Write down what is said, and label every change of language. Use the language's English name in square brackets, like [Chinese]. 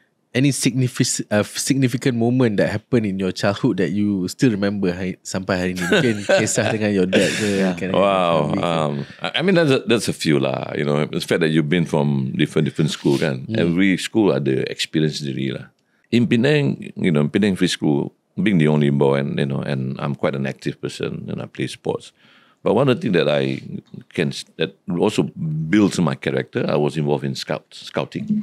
[English] Any significant moment that happened in your childhood that you still remember [Malay] sampai hari ini? Mungkin kisah dengan [English] your dad [Malay] ke? [English] Wow. I mean, that's a few lah. You know, the fact that you've been from different school kan. Every school ada experience sendiri lah. In Penang, you know, Penang Free School, being the only boy and, you know, and I'm quite an active person and I play sports. But one of the things that I can, that also builds my character, I was involved in scouting.